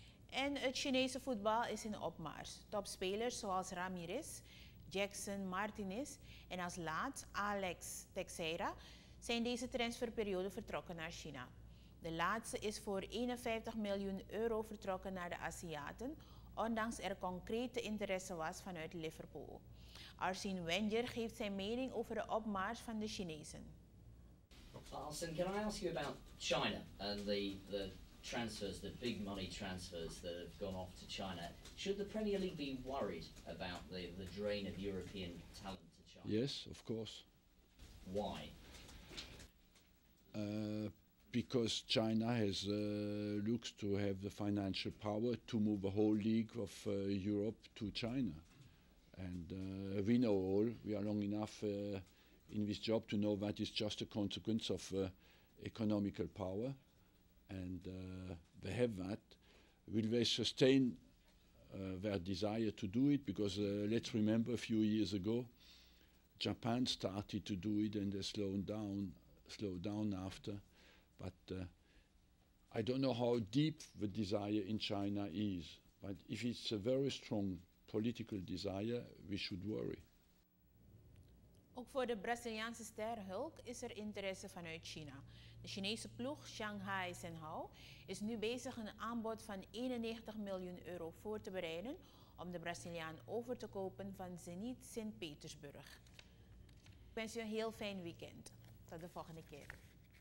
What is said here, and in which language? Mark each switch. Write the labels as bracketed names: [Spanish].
[Dutch] En het Chinese voetbal is in opmars. Topspelers zoals Ramirez, Jackson Martinez en als laatst Alex Teixeira zijn deze transferperiode vertrokken naar China. De laatste is voor €51 miljoen vertrokken naar de Aziaten, ondanks er concrete interesse was vanuit Liverpool. Arsene Wenger geeft zijn mening over de opmars van de Chinezen. [English] Arsene, can I ask you about China and the transfers, the big money transfers that have gone off to China. Should the Premier League be worried about the drain of European talent to China? Yes, of course. Why? Because China has looks to have the financial power to move a whole league of Europe to China. And we know all, we are long enough in this job to know that is just a consequence of economical power. And they have that. Will they sustain their desire to do it? Because let's remember a few years ago, Japan started to do it and they slowed down after. But I don't know how deep the desire in China is. But if it's a very strong political desire, we should worry. [Dutch] Ook voor de Braziliaanse ster Hulk is er interesse vanuit China. De Chinese ploeg Shanghai Shenhao is nu bezig een aanbod van €91 miljoen voor te bereiden om de Braziliaan over te kopen van Zenit Sint-Petersburg. Ik wens u een heel fijn weekend. Tot de volgende keer.